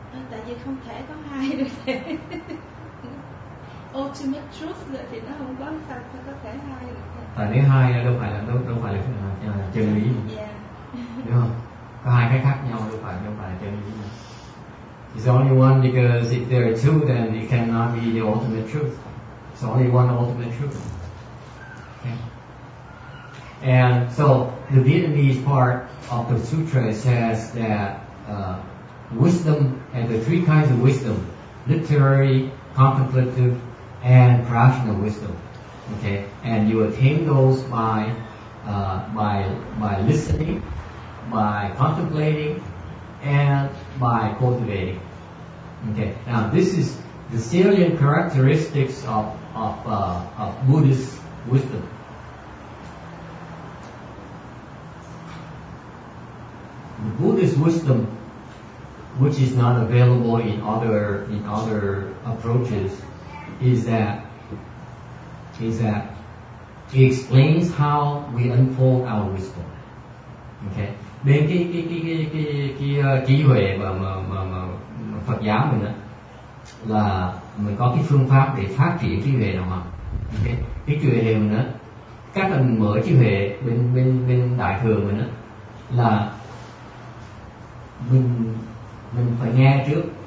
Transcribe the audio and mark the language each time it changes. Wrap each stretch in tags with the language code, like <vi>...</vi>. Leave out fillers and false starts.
<vi>Tại vì không thể có hai được.</vi> <en>Ultimate truth</en> <vi>rồi thì nó không có sao có thể hai được. Tại nếu hai đâu phải là chân lý. Yeah. Đúng không? Có hai cái khác nhau đâu phải là chân lý.</vi> <en>It's only one, because if there are two, then it cannot be the ultimate truth. It's only one ultimate truth. Okay. And so the Vietnamese part of the sutra says that wisdom has the three kinds of wisdom: literary, contemplative, and rational wisdom. Okay. And you attain those by listening, by contemplating, and by cultivating. Okay, now this is the salient characteristics of Buddhist wisdom. The Buddhist wisdom, which is not available in other approaches, is that it explains how we unfold our wisdom.</en> <vi>Okay, bên cái trí huệ mà Phật giáo mình á, là mình có cái phương pháp để phát triển trí huệ nào mà cái trí huệ này mình á, cách mình mở trí huệ bên đại thừa mình á, là mình phải nghe trước,</vi>